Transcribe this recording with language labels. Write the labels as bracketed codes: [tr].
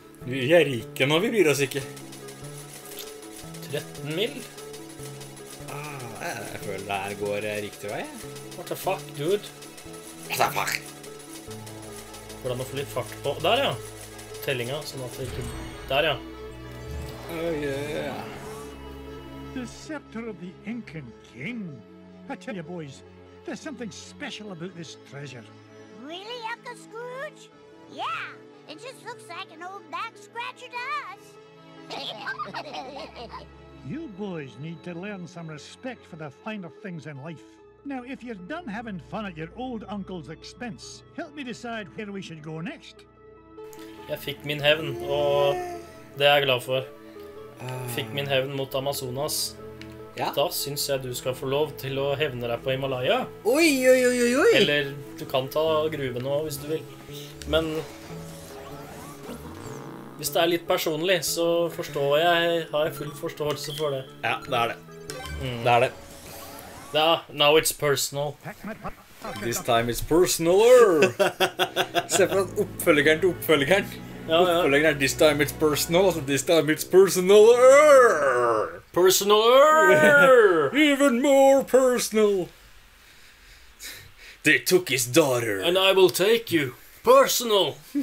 [no] Vi er rike nå, vi bryr oss ikke. 13 mil? Ah, jeg føler det her går riktig vei. [en] What the fuck, dude? What the fuck? [no] Hvordan å få litt fart på... Der, ja! Tellinga, sånn at det ikke... Der, ja! [en] Oh, yeah. The scepter of the Incan King. I tell you, boys, there's something special about this treasure. Really, Uncle Scrooge? Yeah, it just looks like an old back scratcher to us. You boys need to learn some respect for the finer things in life. Now, if you're done having fun at your old uncle's expense, help me decide where we should go next. [no] Jeg fikk min hevn, og det er jeg glad for. Fikk min hevn mot Amazonas. Ja. Da synes jeg du skal få lov til å hevne deg på Himalaya. Oi, oi, oi, oi, oi! Eller du kan ta gruven også, hvis du vil. Men... Hvis det er litt personlig, så forstår jeg, har jeg full forståelse for det. Ja, det er det. Det er det. [en] Ja, now it's personal. This time it's personaler! [no] Se for at oppfølgeren til oppfølgeren. Ja, ja. [en] This time it's personal, altså this time it's personaler! Personaler! Even more personal! They took his daughter. And I will take you. Personal!